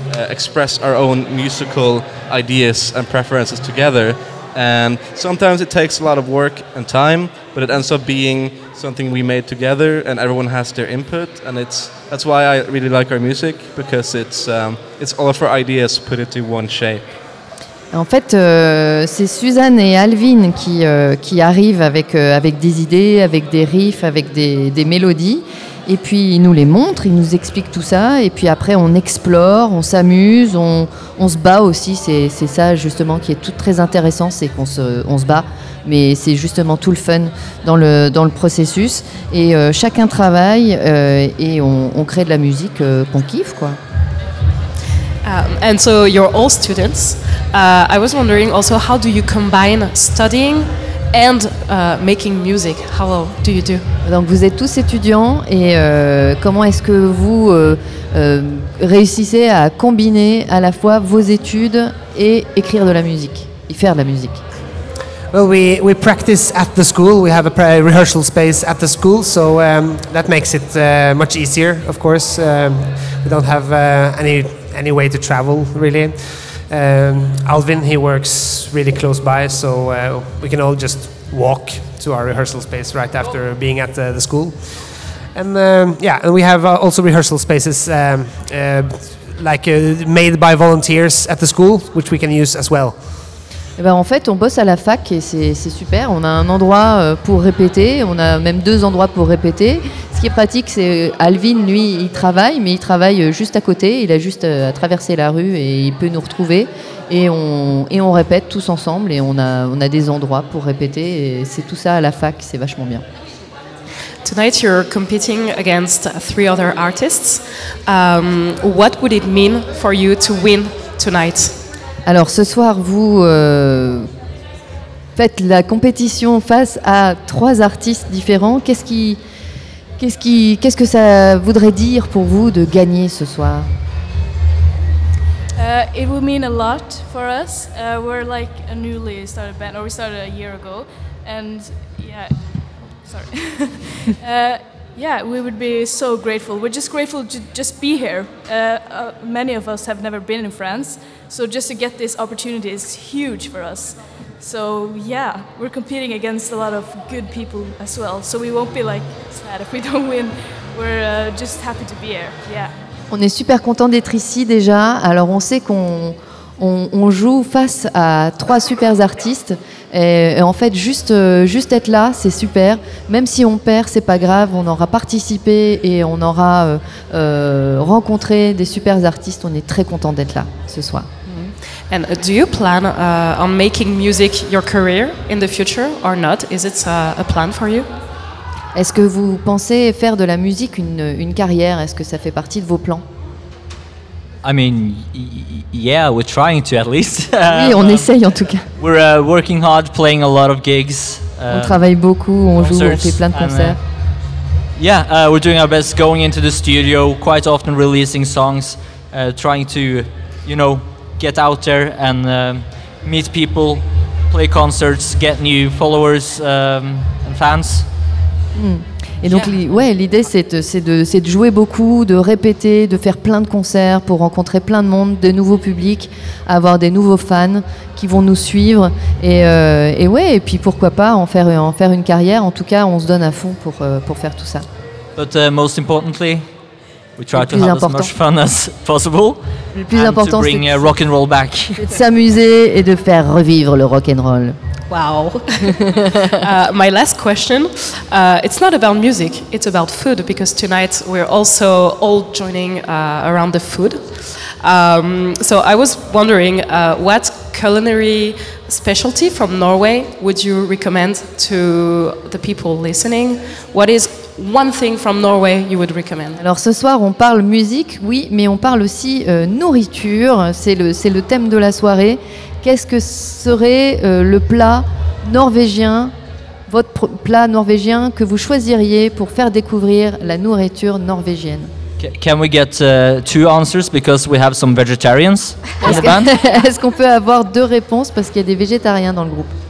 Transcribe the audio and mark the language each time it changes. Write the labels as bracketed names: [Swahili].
[English] express our own musical ideas and preferences together. And sometimes it takes a lot of work and time, but it ends up being something we made together and everyone has their input. And it's that's why I really like our music, because it's all of our ideas put into one shape. [French] En fait, c'est Suzanne et Alvin qui arrivent avec des idées, avec des riffs, avec des mélodies. Et puis, ils nous les montrent, ils nous expliquent tout ça. Et puis après, on explore, on s'amuse, on se bat aussi. C'est ça, justement, qui est tout très intéressant, c'est qu'on se bat. Mais c'est justement tout le fun dans le processus. Et chacun travaille et on crée de la musique qu'on kiffe, quoi. [English] And so you're all students. I was wondering also, how do you combine studying and making music? How do you do? [French] Donc vous êtes tous étudiants et comment est-ce que vous réussissez à combiner à la fois vos études et écrire de la musique, et faire de la musique? [English] Well, we practice at the school. We have a rehearsal space at the school, so that makes it much easier. Of course, we don't have any way to travel, really. Alvin, he works really close by, so we can all just walk to our rehearsal space right after being at the school. And and we have also rehearsal spaces made by volunteers at the school, which we can use as well. [French] Eh ben, en fait, on bosse à la fac et c'est super. On a un endroit pour répéter, on a même deux endroits pour répéter. Ce qui est pratique, c'est Alvin, lui, il travaille, mais il travaille juste à côté. Il a juste à traverser la rue et il peut nous retrouver. Et on répète tous ensemble et on a des endroits pour répéter. Et c'est tout ça à la fac, c'est vachement bien. [English] Tonight, you're competing against three other artists. What would it mean for you to win tonight? [French] Alors ce soir, vous faites la compétition face à trois artistes différents. Qu'est-ce que ça voudrait dire pour vous de gagner ce soir? [English] It would mean a lot for us. We're like a newly started band, or we started a year ago. And yeah, sorry. Yeah, we would be so grateful. We're just grateful to just be here. Many of us have never been in France. So just to get this opportunity is huge for us. So yeah, we're competing against a lot of good people as well. So we won't be like sad if we don't win. We're just happy to be here. Yeah. [French] On est super content d'être ici déjà. Alors on sait qu'on joue face à trois super artistes. Et en fait, juste être là, c'est super. Même si on perd, c'est pas grave. On aura participé et on aura rencontré des super artistes. On est très content d'être là ce soir. Mm-hmm. [English] And do you plan on making music your career in the future or not? Is it a plan for you? [French] Est-ce que vous pensez faire de la musique une carrière? Est-ce que ça fait partie de vos plans? [English] I mean, yeah, we're trying to at least. [French] Oui, on essaye en tout cas. [English] We're working hard, playing a lot of gigs. [French] On travaille beaucoup, on joue, on fait plein de concerts. [English] We're doing our best, going into the studio, quite often releasing songs, trying to, you know, get out there and meet people, play concerts, get new followers and fans. Mm. [French] Et donc, l'idée, c'est de jouer beaucoup, de répéter, de faire plein de concerts pour rencontrer plein de monde, des nouveaux publics, avoir des nouveaux fans qui vont nous suivre. Et puis, pourquoi pas en faire une carrière. En tout cas, on se donne à fond pour faire tout ça. [English] But most importantly, we try to have as much fun as possible. [French] Le plus important, c'est de rock and roll back. De s'amuser et de faire revivre le rock and roll. [English] Wow. My last question, it's not about music, it's about food, because tonight we're also all joining around the food. So I was wondering, what culinary specialty from Norway would you recommend to the people listening? What is one thing from Norway you would recommend? [French] Alors ce soir on parle musique, oui, mais on parle aussi nourriture, c'est le thème de la soirée. Qu'est-ce que serait le plat norvégien, votre plat norvégien que vous choisiriez pour faire découvrir la nourriture norvégienne? [English] Can we get two answers because we have some vegetarians in the band? [French] Est-ce qu'on peut avoir deux réponses parce qu'il y a des végétariens dans le groupe?